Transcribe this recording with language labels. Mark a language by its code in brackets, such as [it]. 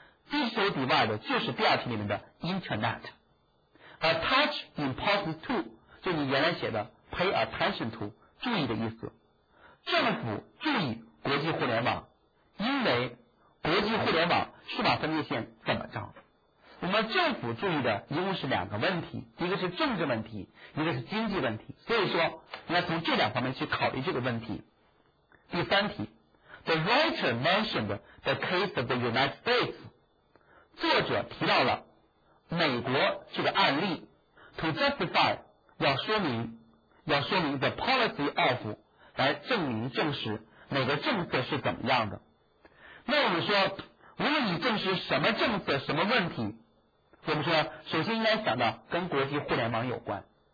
[zh] Digital Divide 就是第二题里面的 Internet。 [en] Attach importance to [zh] 就你原来写的 [en] Pay attention to [zh] 注意的意思，政府注意国际互联网。因为国际互联网数码分界线怎么着，我们政府注意的一共是两个问题，一个是政治问题，一个是经济问题，所以说应该从这两方面去考虑这个问题。 [en] 第三题， The writer mentioned the case of the United States， [zh] 作者提到了美国这个案例。 [en] To justify [zh] 要说明 [en] the policy of， [zh] 来证明证实美国政策是怎么样的。那我们说无论你证实什么政策什么问题，我们说首先应该想到跟国际互联网有关。